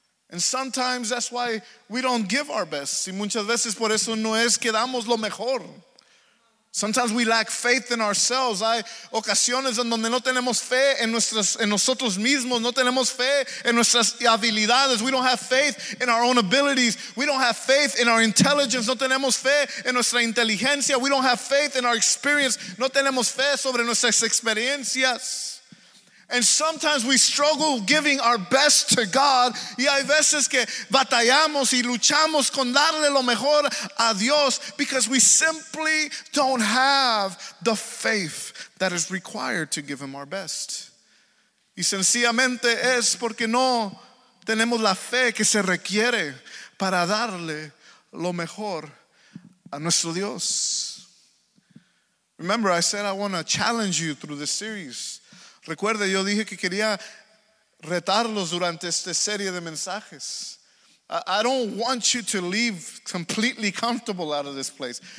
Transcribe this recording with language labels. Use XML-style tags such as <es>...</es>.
<en>And sometimes that's why we don't give our best.</en> <es>Y muchas veces por eso no es que damos lo mejor.</es> <en>Sometimes we lack faith in ourselves.</en> <es>Hay ocasiones en donde no tenemos fe en nosotros mismos. No tenemos fe en nuestras habilidades.</es> <en>We don't have faith in our own abilities. We don't have faith in our intelligence.</en> <es>No tenemos fe en nuestra inteligencia.</es> <en>We don't have faith in our experience.</en> <es>No tenemos fe sobre nuestras experiencias.</es> <en>And sometimes we struggle giving our best to God.</en> <es>Y hay veces que batallamos y luchamos con darle lo mejor a Dios</es> <en>because we simply don't have the faith that is required to give him our best.</en> <es>Y sencillamente es porque no tenemos la fe que se requiere para darle lo mejor a nuestro Dios.</es> <en>Remember, I said I want to challenge you through this series.</en> <es>Recuerde, yo dije que quería retarlos durante esta serie de mensajes.</es> <en>I don't want you to leave completely comfortable out of this place.</en>